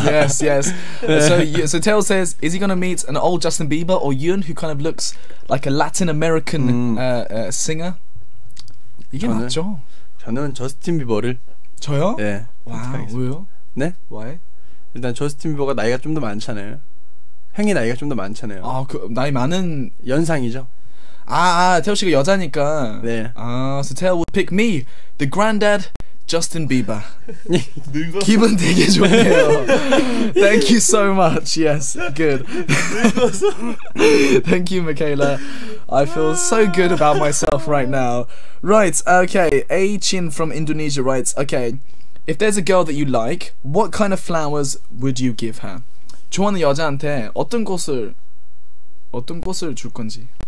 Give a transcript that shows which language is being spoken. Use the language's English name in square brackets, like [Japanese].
[English] Yes, yes. 네. So Tail says, is he gonna meet an old Justin Bieber or Yoon who kind of looks like a Latin American singer? [Korean] 이게 맞죠? 저는 저스틴 비버를. 저요? 네. 와, 왜요? 네? [English] Why? [Korean] 일단 저스틴 비버가 나이가 좀 더 많잖아요. 형이 나이가 좀 더 많잖아요. 아, 그 나이 많은 연상이죠. 아, 아 태호 씨가 여자니까. 네. [English] 아, so Tail would pick me, the granddad Justin Bieber. [Korean] 기분 되게 좋네요. [English] Thank you so much. Yes, good. Thank you, Michaela. I feel so good about myself right now. Right. Okay. A Chin from Indonesia writes. Okay. If there's a girl that you like, what kind of flowers would you give her? [Korean] 좋아하는 여자한테 어떤 꽃을 줄 건지